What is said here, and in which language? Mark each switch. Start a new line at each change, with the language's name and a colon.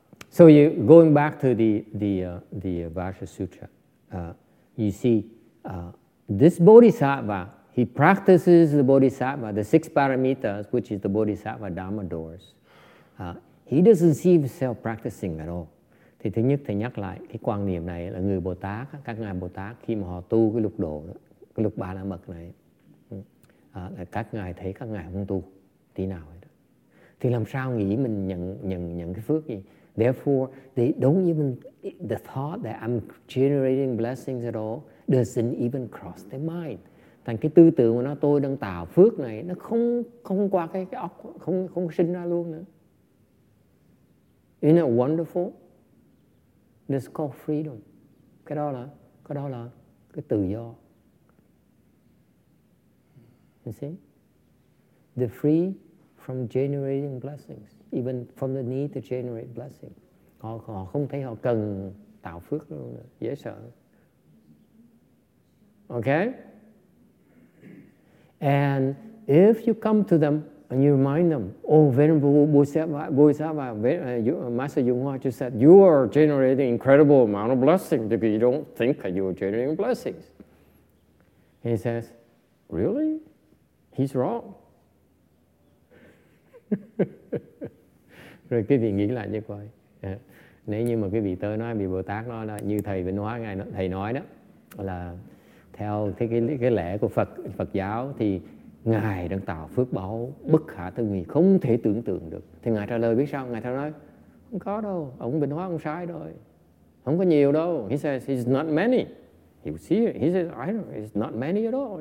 English: So you going back to the Vajra Sutra, you see this Bodhisattva, he practices the Bodhisattva, the six paramitas, which is the Bodhisattva Dharma doors. He doesn't see himself practicing at all.
Vietnamese: Thì thứ nhất thầy nhắc lại cái quan niệm này là người Bồ Tát, các ngài Bồ Tát khi mà họ tu cái lục độ, cái lục ba la mật này, là các ngài thấy các ngài không tu tí nào hết. Thì làm sao nghĩ mình nhận cái phước gì?
English: Therefore, they don't even, the thought that I'm generating blessings at all doesn't even cross their mind.
Vietnamese: Thành cái tư tưởng của nó, tôi đang tạo phước này, nó không qua cái óc, không sinh ra luôn nữa.
English: Isn't that wonderful? That's called freedom.
Vietnamese: Cái đó là cái tự do.
English: You see? They're free from generating blessings. Even from the need to generate blessing.
Vietnamese: Họ không thấy họ cần tạo phước luôn nữa. Dễ sợ.
English: Okay? And if you come to them and you remind them, oh, Venerable Bodhisattva, Master Yunghua just said, you are generating incredible amount of blessing if you don't think that you are generating blessings. He says, really? He's wrong.
Vietnamese: Rồi quý vị nghĩ lại như coi. Nếu như mà quý vị tới nói, vị Bồ Tát nói đó, như thầy vẫn nói, ngài thầy nói đó, là theo cái lẽ của Phật giáo thì ngài đang tạo phước báo bất khả tư nghị, không thể tưởng tượng được. Thì ngài trả lời biết sao? Ngài trả lời, không có đâu, ông Bình Hóa không sai rồi. Không có nhiều đâu.
English: He says, it's not many. He will see it. He says, I don't know, it's not many at all.